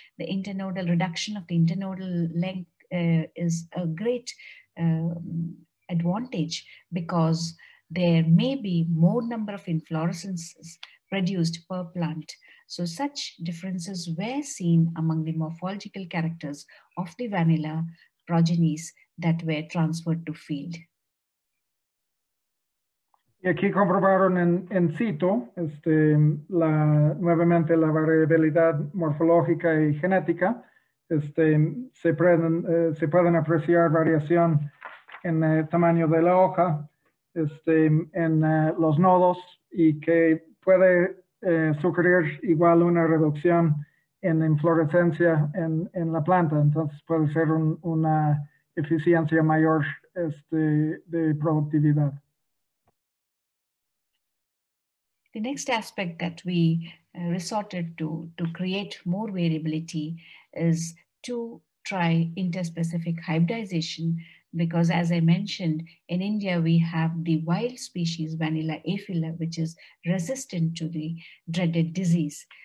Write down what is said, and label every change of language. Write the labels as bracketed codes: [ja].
[en] The internodal reduction of the internodal length is a great advantage because there may be more number of inflorescences produced per plant. So such differences were seen among the morphological characters of the vanilla progenies that were transferred to field. [es] Y aquí comprobaron en situ nuevamente la variabilidad morfológica y genética. Se pueden apreciar variación en el tamaño de la hoja, en los nodos, y que puede sugerir igual una reducción en inflorescencia en la planta. Entonces puede ser una eficiencia mayor de productividad. [en] The next aspect that we resorted to create more variability is to try interspecific hybridization, because as I mentioned, in India, we have the wild species Vanilla aphylla, which is resistant to the dreaded disease.